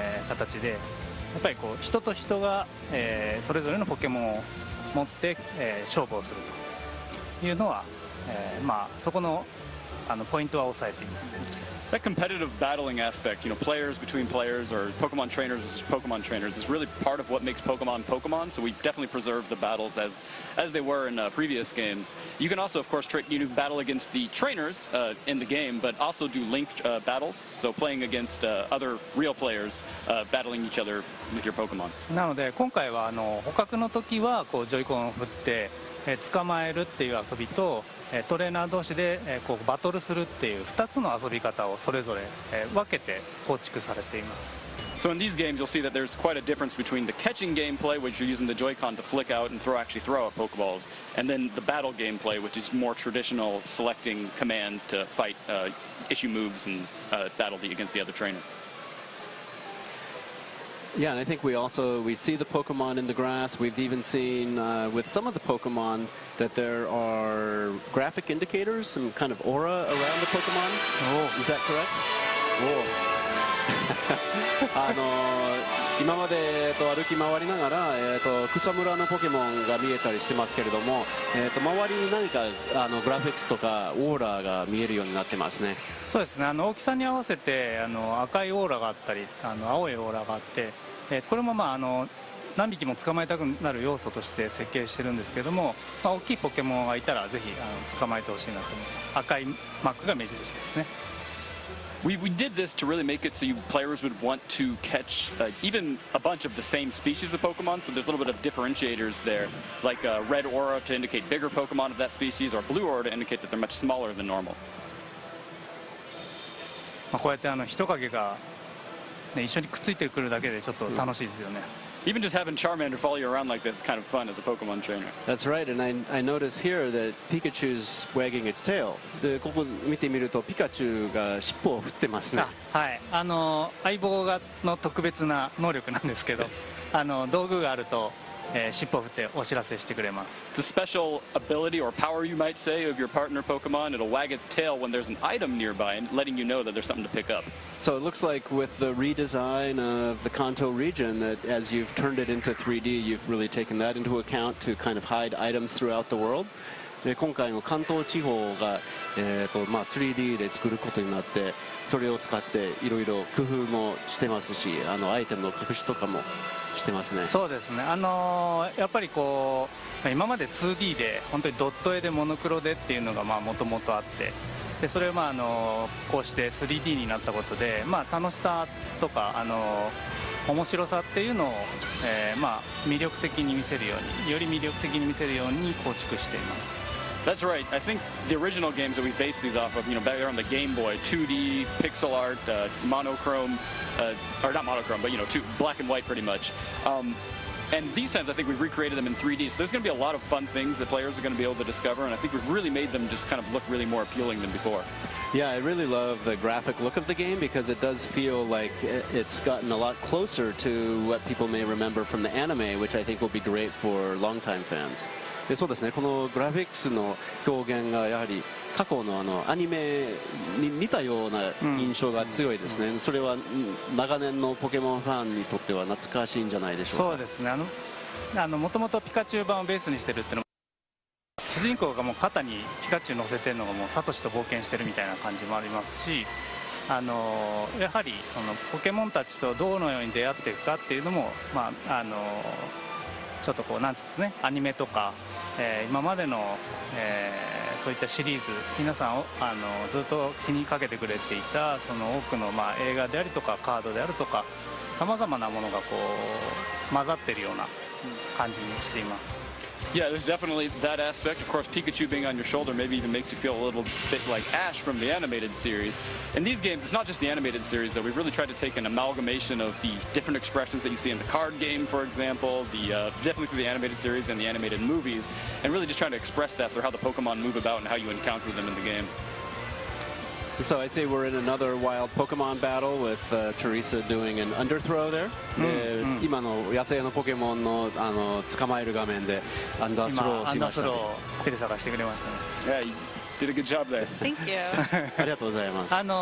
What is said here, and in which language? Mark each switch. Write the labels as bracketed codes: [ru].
[ja] 形でやっぱりこう人と人が、それぞれのポケモンを持って、勝負をするというのは、まあ、そこの、あのポイントは押さえています。 [en] That competitive battling aspect, you know, players between players or Pokemon trainers versus Pokemon trainers is really part of what makes Pokemon Pokemon, so we definitely preserve the battles as they were in previous games. You can also, of course, battle against the trainers in the game, but also do linked battles, so playing against other real players, battling each other with your Pokemon. [ja] なので今回はあの捕獲の時はこうジョイコンを振って、捕まえるっていう遊びとトレーナー同士でこうバトルするっていう2つの遊び方をそれぞれ分けて構築されています。 [en] So in these games you'll see that there's quite a difference between the catching gameplay which you're using the Joy-Con to flick out and actually throw out Pokeballs and then the battle gameplay which is more traditional selecting commands to fight issue moves and battle against the other trainer. Yeah, and I think we see the Pokemon in the grass. We've even seen with some of the Pokemon that there are graphic indicators, some kind of aura around the Pokemon. Oh, is that correct? Oh. [ja] あの今まで歩き回りながら草むらのポケモンが見えたりしてますけれども、周りに何かあのグラフィックスとかオーラが見えるようになってますね。そうですね、あの大きさに合わせてあの赤いオーラがあったりあの青いオーラがあって、これも、まあ、あの何匹も捕まえたくなる要素として設計してるんですけども、まあ、大きいポケモンがいたらぜひ捕まえてほしいなと思います。赤いマークが目印ですね。 [en] We did this to really make it so you players would want to catch even a bunch of the same species of Pokemon, so there's a little bit of differentiators there, like a red aura to indicate bigger Pokemon of that species, or blue aura to indicate that they're much smaller than normal. [ja] まあこうやってあの人影が、ね、一緒にくっついてくるだけでちょっと楽しいですよね。 [en] Even just having Charmander follow you around like this is kind of fun as a Pokemon trainer. That's right, and I notice here that Pikachu's wagging its tail. [ja] でここ見てみるとピカチュウが尻尾を振ってますね。はい、あの相棒の特別な能力なんですけど、あの道具があると尻尾振ってお知らせしてくれます。 [en] It's a special ability or power you might say of your partner Pokemon. It'll wag its tail when there's an item nearby and letting you know that there's something to pick up. So it looks like with the redesign of the Kanto region that as you've turned it into 3D, you've really taken that into account to kind of hide items throughout the world. [ja] で今回の関東地方が、まあ、3D で作ることになって、それを使っていろいろ工夫もしてますし、あのアイテムの隠しとかもしてますね。そうですね、やっぱりこう今まで 2D で本当にドット絵でモノクロでっていうのがもともとあって、でそれを、まあ、こうして 3D になったことで、まあ、楽しさとか、面白さっていうのを、まあ、魅力的に見せるように、より魅力的に見せるように構築しています。 [en] That's right. I think the original games that we based these off of, you know, back around the Game Boy, 2D, pixel art, monochrome, or not monochrome, but, you know, two, black and white pretty much. And these times, I think we've recreated them in 3D. So there's going to be a lot of fun things that players are going to be able to discover. And I think we've really made them just kind of look really more appealing than before. Yeah, I really love the graphic look of the game because it does feel like it's gotten a lot closer to what people may remember from the anime, which I think will be great for longtime fans. [ja] そうですね、このグラフィックスの表現がやはり過去 の, あのアニメに似たような印象が強いですね、うん、それは長年のポケモンファンにとっては懐かしいんじゃないでしょうか。そうですね、もともとピカチュウ版をベースにしてるっていうのも、主人公がもう肩にピカチュウ乗せてるのがもうサトシと冒険してるみたいな感じもありますし、やはりそのポケモンたちとどのように出会っていくかっていうのも、まあ、ちょっとこうなんていうんですね、アニメとか、今までの、そういったシリーズ、皆さんずっと気にかけてくれていたその多くの、まあ、映画であるとかカードであるとか、さまざまなものがこう混ざってるような感じにしています。 [en] Yeah, there's definitely that aspect. Of course, Pikachu being on your shoulder maybe even makes you feel a little bit like Ash from the animated series. In these games, it's not just the animated series though. We've really tried to take an amalgamation of the different expressions that you see in the card game, for example, definitely through the animated series and the animated movies, and really just trying to express that through how the Pokemon move about and how you encounter them in the game. So I see we're in another wild Pokemon battle with Teresa doing an underthrow there. Mm-hmm. [ja] 今の野生のポケモンの、捕まえる画面でアンダースローをしました、ね、今アンダースローテレサがしてくれましたね。 [en] Yeah, you did a good job there. Thank you. [ja] ありがとうございます。